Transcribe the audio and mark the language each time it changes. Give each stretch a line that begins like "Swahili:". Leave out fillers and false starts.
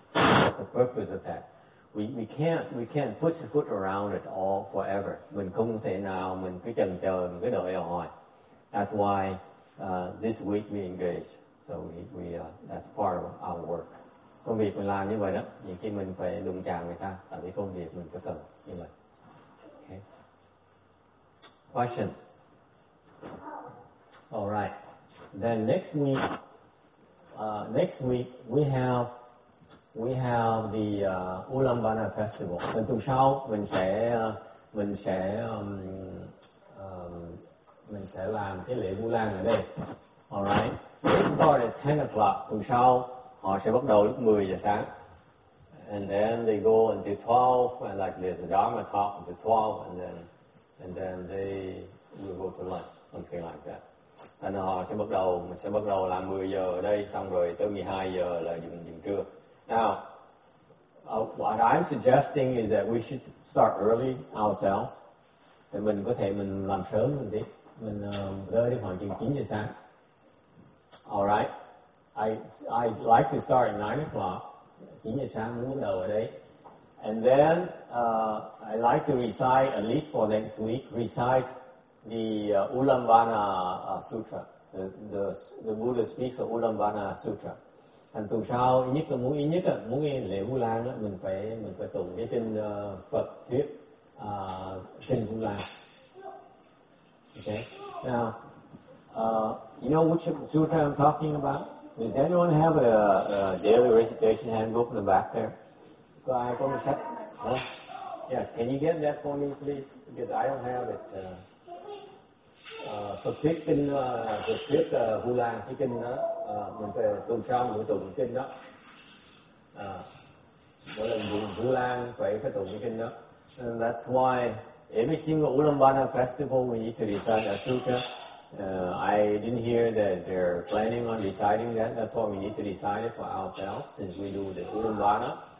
English: The purpose of that, we can't push the foot around it all forever.
Vietnamese: Mình không thể nào mình cứ chần chờ mình cứ đợi hoài.
English: That's why this week we engage. So we that's part of our work.
Vietnamese: Công việc mình làm như vậy đó. Nhiều khi mình phải đụng chạm người ta, tại vì công việc mình có cần như vậy.
English: Okay. Questions. All right. Then next week we have the Ulambana festival.
Vietnamese: Tuần sau mình sẽ làm cái lễ Vu Lan ở đây.
English: All right. We start at 10 o'clock.
Vietnamese: Tuần sau họ sẽ bắt đầu lúc 10 giờ sáng.
English: And then they go until 12, and like there's a Dharma talk until 12, and then they will go to lunch, something like that.
Vietnamese: Thành họ sẽ bắt đầu, mình sẽ bắt đầu làm 10 giờ ở đây, xong rồi tới 12 giờ là dừng trưa.
English: Now, what I'm suggesting is that we should start early ourselves.
Vietnamese: Thì mình có thể mình làm sớm một tí. mình rơi đi khoảng chừng 9 giờ sáng.
English: All right. I like to start at 9 o'clock.
Vietnamese: 9 giờ sáng muốn đầu ở đây.
English: And then I like to recite, at least for next week, recite the Ulambana Sutra. The Buddha speaks of Ulambana Sutra.
Vietnamese: Thành tuần sau, nhất là muốn ý nhất là muốn nghe lễ Vu Lan, mình phải tụng cái kinh Phật thuyết kinh Vu Lan.
English: Okay. Now, you know which sutra I'm talking about? Does anyone have a daily recitation handbook in the back there?
Vietnamese: Có ai có một sách?
English: Yeah, can you get that for me, please? Because I don't have it.
Vietnamese: Phật thuyết kinh Phật thuyết Vu Lan cái kinh đó, mình phải tuần sau mình tụng cái kinh đó. Mỗi lần tụng Vu Lan phải tụng cái kinh đó.
English: And that's why every single Ulambana festival we need to recite a sutra. I didn't hear that they're planning on deciding that. That's why we need to decide it for ourselves since we do the Ulambana.